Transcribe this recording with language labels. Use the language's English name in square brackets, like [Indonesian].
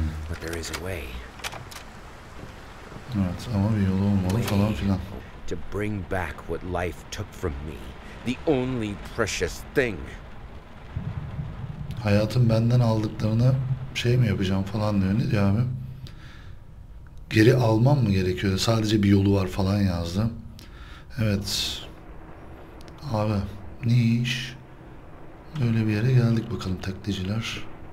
[English] But there is a way. [Turkish] Evet, ama bir yolu olmalı falan filan. [English] To bring back what life took from me, the only precious thing. [Turkish] Hayatın benden aldıklarını şey mi yapacağım falan diyor. Ne diyor abi? Geri almam mı gerekiyor? Sadece bir yolu var falan yazdı. Evet. Abi, ne iş? Öyle bir yere geldik bakalım taklitçiler.